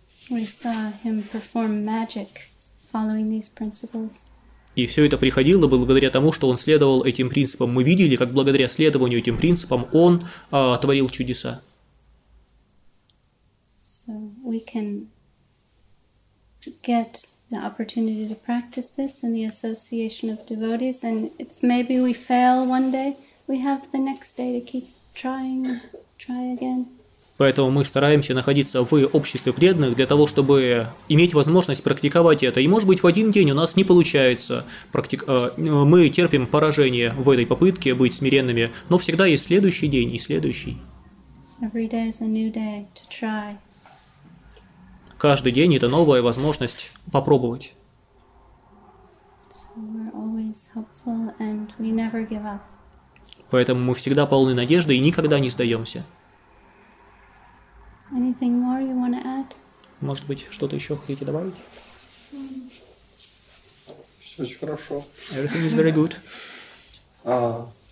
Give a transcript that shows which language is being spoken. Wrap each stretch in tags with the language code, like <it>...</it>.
<en>We saw him perform magic following these principles.</en> <ru>И все это приходило благодаря тому, что он следовал этим принципам. Мы видели, как благодаря следованию этим принципам он творил чудеса.</ru> <en>So we can get the opportunity to practice this in the association of devotees, and if maybe we fail one day, we have the next day to keep trying, try again.</en> <ru>Поэтому мы стараемся находиться в обществе преданных для того, чтобы иметь возможность практиковать это. И, может быть, в один день у нас не получается, мы терпим поражение в этой попытке быть смиренными, но всегда есть следующий день и следующий.</ru> <en>Every day is a new day to try.</en> <ru>Каждый день – это новая возможность попробовать.</ru> <en>So we're always hopeful and we never give up.</en> <ru>Поэтому мы всегда полны надежды и никогда не сдаемся.</ru> <en>Anything more you want to add?</en> <ru>Может быть, что-то еще хотите добавить? Все очень хорошо.</ru> <en>Everything is very good.</en>